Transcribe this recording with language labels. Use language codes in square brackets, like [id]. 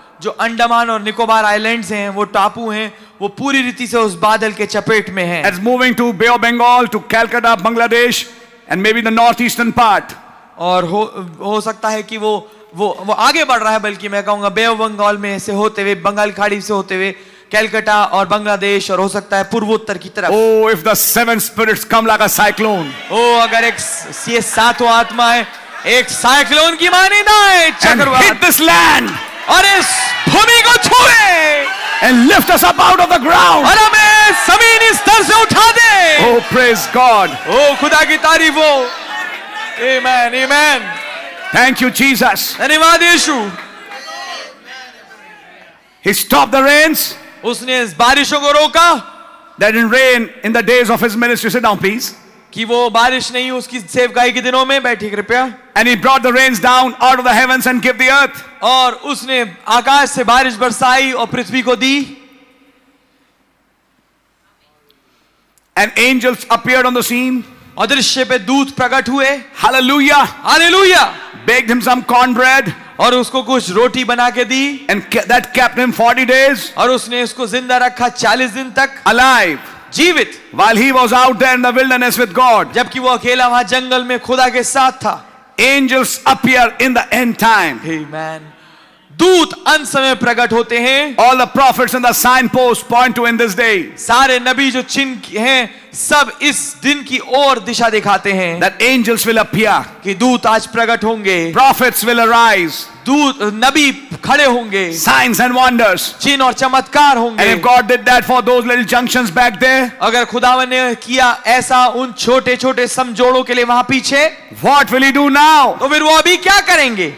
[hi] जो अंडमान और निकोबार आइलैंड्स हैं, वो टापू हैं, वो पूरी रीति से उस बादल के चपेट में हैं. [en] It's moving to bay of Bengal, to Calcutta, Bangladesh and maybe the north eastern part. [hi] और हो सकता है कि वो आगे बढ़ रहा है, बल्कि मैं कहूंगा बे ऑफ बंगाल में से होते हुए, बंगाल खाड़ी से होते हुए कलकत्ता और बांग्लादेश और हो सकता है पूर्वोत्तर की तरफ. [en] Oh, if the seven spirits come like a cyclone. [hi] Oh, अगर एक ये सातों आत्मा है, एक साइक्लोन की मानिंदा है, चक्रवात. [en] And hit this land. [hi] और इस भूमि को छुए. [en] And lift us up out of the ground. [hi] और हमें जमीन स्तर से उठा दे. [en] Oh, praise God. [hi] Oh, खुदा की तारीफ हो. [en] Amen, amen. Thank you, Jesus. [hi] धन्यवाद यीशु. [en] He stopped the rains. [hi] उसने इस बारिशों को रोका. [en] That didn't rain in the days of his ministry. Sit down, please. [hi] कि वो बारिश नहीं उसकी सेवकाई के दिनों में. बैठिए कृपया. [en] And he brought the rains down out of the heavens and gave the earth. [hi] और उसने आकाश से बारिश बरसाई और पृथ्वी को दी. [en] And angels appeared on the scene. [hi] अदृश्य पे दूत प्रकट हुए. [en] Hallelujah. Hallelujah. Begged him some cornbread. [hi] और उसको कुछ रोटी बना के दी. [en] And that kept him 40 days. [hi] और उसने उसको जिंदा रखा 40 दिन तक. [en] Alive. [hi] जीवित. [en] While he was out there in the wilderness with God. [hi] जबकि वो अकेला वहां जंगल में खुदा के साथ था. [en] Angels appear in the end time. Amen. [hi] दूत अंत समय प्रकट होते हैं. [en] All the prophets and the signposts point to in this day. [hi] सारे नबी जो चिन्ह हैं, सब इस दिन की ओर दिशा दिखाते हैं. [en] That angels will appear. [hi] कि दूत आज प्रकट होंगे. [en] Prophets will arise. [hi] दूत नबी खड़े होंगे. [en] Signs and wonders. [hi] चिन्ह और चमत्कार होंगे. [en] And if God did that for those little junctions back there. [hi] अगर खुदावन ने किया ऐसा उन छोटे-छोटे समझोड़ों के लिए वहाँ पीछे. [en] What will he do now? [hi] तो फिर वो अभी क्या करेंगे?